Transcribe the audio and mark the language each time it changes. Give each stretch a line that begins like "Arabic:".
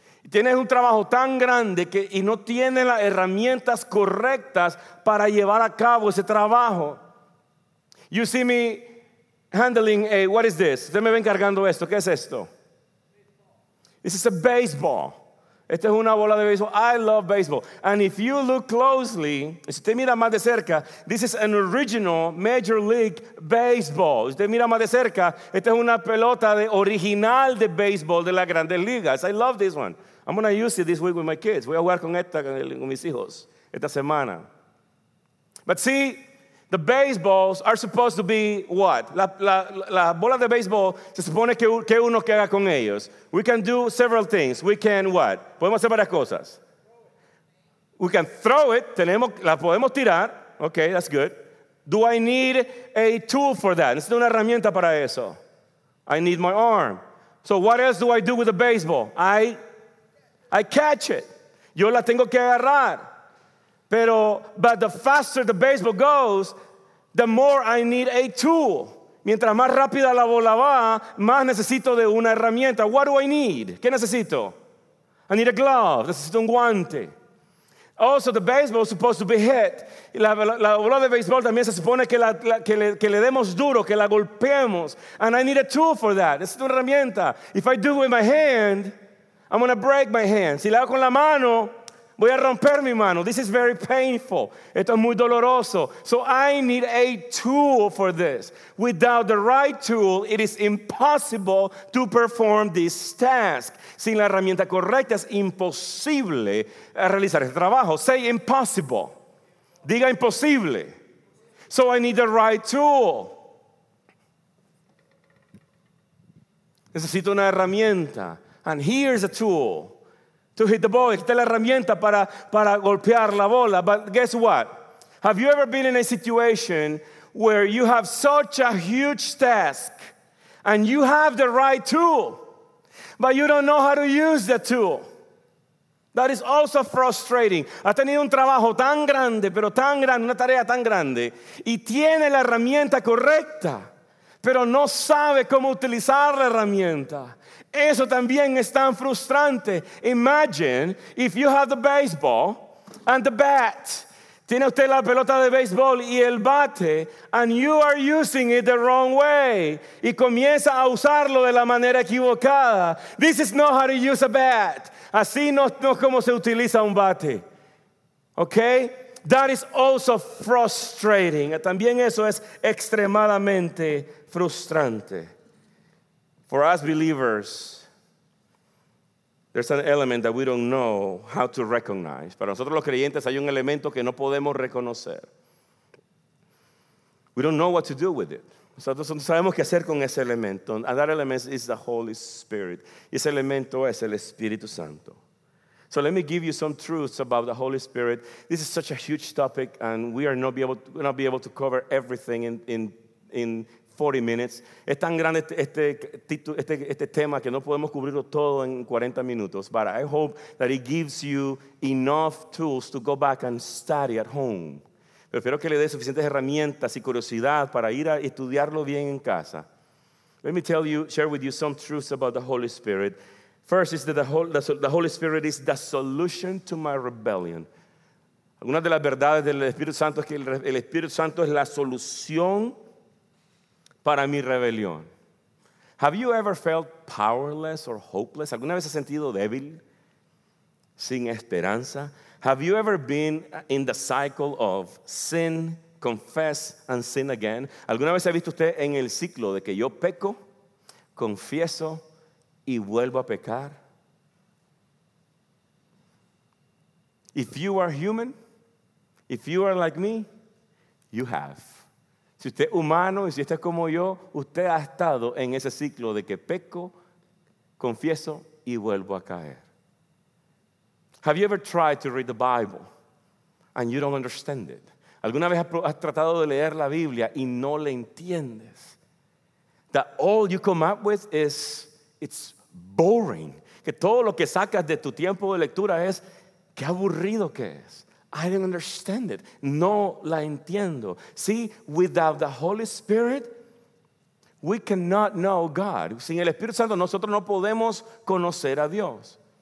Spanish: Tienes un trabajo tan grande y no tienes las herramientas correctas para llevar a cabo ese trabajo.
English: You see me handling a, what is this?
Spanish: Usted me ve cargando esto. ¿Qué es esto?
English: This is a baseball.
Spanish: Esta es una bola de béisbol.
English: I love baseball. And if you look closely,
Spanish: si usted mira más de cerca,
English: this is an original Major League Baseball.
Spanish: Si usted mira más de cerca, esta es una pelota de original de béisbol de las grandes ligas.
English: I love this one. I'm going to use it this week with my kids.
Spanish: Voy a jugar con esta con mis hijos esta semana.
English: But see, the baseballs are supposed to be what?
Spanish: La bola de béisbol se supone que uno que haga con ellos.
English: We can do several things. We can what?
Spanish: Podemos hacer varias cosas.
English: We can throw it.
Spanish: La podemos tirar.
English: Okay, that's good. Do I need a tool for that?
Spanish: Necesito una herramienta para eso.
English: I need my arm. So what else do I do with the baseball? I catch it.
Spanish: Yo la tengo que agarrar.
English: But the faster the baseball goes, the more I need a tool.
Spanish: Mientras más rápida la bola va, más necesito de una herramienta.
English: What do I need?
Spanish: ¿Qué necesito?
English: I need a glove.
Spanish: Necesito un guante.
English: Also, the baseball is supposed to be hit.
Spanish: La bola de béisbol también se supone que le demos duro, que la golpeemos.
English: And I need a tool for that.
Spanish: Necesito una herramienta.
English: If I do it with my hand, I'm going to break my hand.
Spanish: Si la hago con la mano, voy a romper mi mano.
English: This is very painful.
Spanish: Esto es muy doloroso.
English: So I need a tool for this. Without the right tool, it is impossible to perform this task.
Spanish: Sin la herramienta correcta, es imposible realizar este trabajo.
English: Say impossible.
Spanish: Diga imposible.
English: So I need the right tool.
Spanish: Necesito una herramienta.
English: And here's a tool to hit the ball.
Spanish: Esta es la herramienta para golpear la bola.
English: But guess what? Have you ever been in a situation where you have such a huge task and you have the right tool, but you don't know how to use the tool? That is also frustrating.
Spanish: Ha tenido un trabajo tan grande, pero tan grande, una tarea tan grande, y tiene la herramienta correcta, pero no sabe cómo utilizar la herramienta. Eso también es tan frustrante.
English: Imagine if you have the baseball and the bat.
Spanish: Tiene usted la pelota de béisbol y el bate,
English: and you are using it the wrong way.
Spanish: Y comienza a usarlo de la manera equivocada.
English: This is not how to use a bat.
Spanish: Así no es como se utiliza un bate.
English: Okay? That is also frustrating.
Spanish: También eso es extremadamente frustrante.
English: For us believers, there's an element that we don't know how to recognize.
Spanish: Para nosotros los creyentes hay un elemento que no podemos reconocer.
English: We don't know what to do with it.
Spanish: Nosotros no sabemos qué hacer con ese elemento.
English: And that element is the Holy Spirit.
Spanish: Y ese elemento es el Espíritu Santo.
English: So let me give you some truths about the Holy Spirit. This is such a huge topic, and we are not be able to cover everything in 40 minutes.
Spanish: Es tan grande este tema que no podemos cubrirlo todo en 40 minutos.
English: But I hope that it gives you enough tools to go back and study at home.
Spanish: Pero espero que le dé suficientes herramientas y curiosidad para ir a estudiarlo bien en casa.
English: Let me share with you some truths about the Holy Spirit. First is that the Holy Spirit is the solution to my rebellion.
Spanish: Una de las verdades del Espíritu Santo es que el Espíritu Santo es la solución para mi rebelión.
English: Have you ever felt powerless or hopeless?
Spanish: ¿Alguna vez has sentido débil, sin esperanza?
English: Have you ever been in the cycle of sin, confess, and sin again?
Spanish: ¿Alguna vez ha visto usted en el ciclo de que yo peco, confieso y vuelvo a pecar?
English: If you are human, if you are like me, you have.
Spanish: Si usted es humano y si está como yo, usted ha estado en ese ciclo de que peco, confieso y vuelvo a caer.
English: Have you ever tried to read the Bible and you don't understand it?
Spanish: ¿Alguna vez has tratado de leer la Biblia y no la entiendes?
English: That all you come up with is, it's boring.
Spanish: Que todo lo que sacas de tu tiempo de lectura es, qué aburrido que es.
English: I don't understand it.
Spanish: No la entiendo.
English: See, without the Holy Spirit, we cannot know God.
Spanish: Sin el Espíritu Santo, nosotros no podemos conocer a Dios.